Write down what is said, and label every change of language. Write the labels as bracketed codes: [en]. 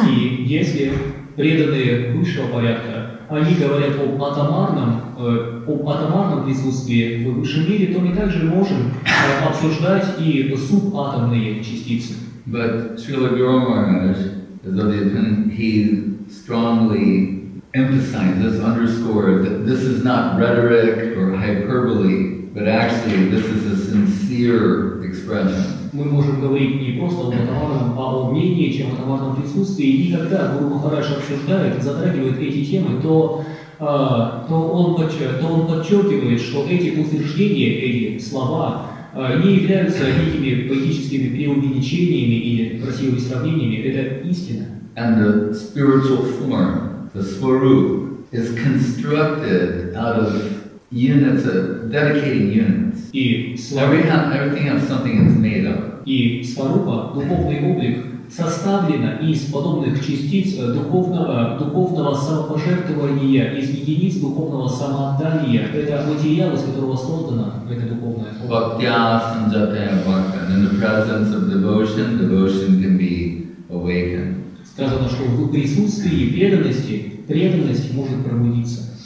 [ru] И если преданные высшего порядка, они говорят об атомарном присутствии в высшем мире, то мы также можем обсуждать и субатомные частицы. [en] But Srila Guru Maharaj, as of the opinion, he strongly emphasizes, underscores that this is not rhetoric or hyperbole, but actually this is a sincere expression. [ru] Мы можем говорить не просто об атомарном, а о менее чем атомарном присутствии. И когда Гуру Махарадж обсуждает, затрагивает эти темы, то он подчеркивает, что эти утверждения, эти слова, не являются никакими поэтическими преувеличениями или красивыми сравнениями. Это истина. [en] And the spiritual form, the swarup, is constructed out of units, dedicated units. Everything has something it's made of. [ru] И сварупа, духовный облик, составлена из подобных частиц духовного самопожертвования, из единиц духовного самоотдания. Это материал, из которого создано это духовное. [sa] Bhaktya sanjataya bhakta. [en] In the presence of devotion, devotion can be awakened. [ru] Сказано, что в присутствии преданности, преданность может пробудиться.